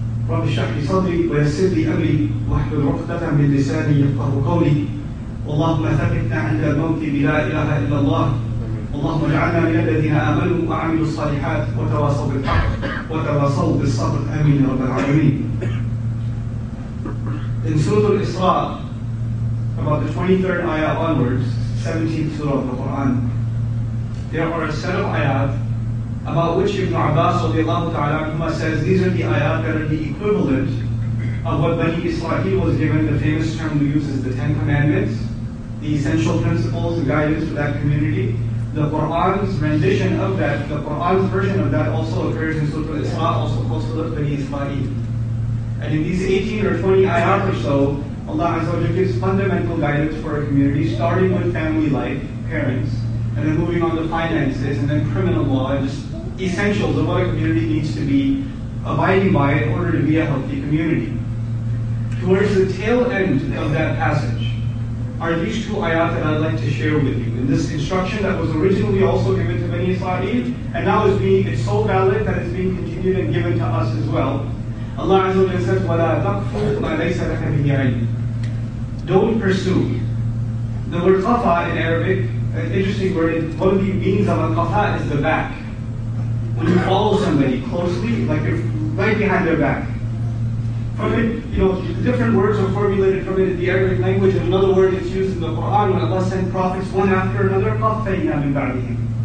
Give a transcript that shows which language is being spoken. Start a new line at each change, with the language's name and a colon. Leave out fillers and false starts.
Arabic: رب اشرح لي صدري ويسر لي أمري واحلل عقدة من لساني يفقه قولي. اللهم ثبتنا عند الموت بلا إله إلا الله. اللهم اجعلنا من الذين آمنوا وعملوا الصالحات وتواصوا بالحق وتواصوا بالصبر. آمين يا رب العالمين.
English: In Surah Al-Isra, about the 23rd ayah onwards, 17th Surah of the Quran, there are a set of ayat about which Ibn Abbas radiallahu ta'ala anhumah says these are the ayat that are the equivalent of what Bani Israel was given the famous term we use as the Ten Commandments, the essential principles and guidance for that community. The Quran's rendition of that, the Quran's version of that also appears in Surah Al-Isra, also close to Bani Israel. And in these 18 or 20 ayat or so, Allah Azza wa Jalla gives fundamental guidance for a community, starting with family life, parents, and then moving on to finances, and then criminal law, and just essentials of what a community needs to be abiding by in order to be a healthy community. Towards the tail end of that passage are these two ayat that I'd like to share with you. In this instruction that was originally also given to Bani Israel, and now it's so valid that it's being continued and given to us as well. Allah Azza wa Jalla says,
Arabic: وَلَا تَقْفُوا مَا لَيْسَ لَكَ بِهِ عَلِمٌ.
English: Don't pursue. The word qafa in Arabic, an interesting word, one of the meanings of a qafa is the back. When you follow somebody closely, like you're right behind their back. From it, different words are formulated from it in the Arabic language, and another word is used in the Quran when Allah sent prophets one after another,
Arabic: قَفَّيْنَا مِنْ بَعْدِهِمْ.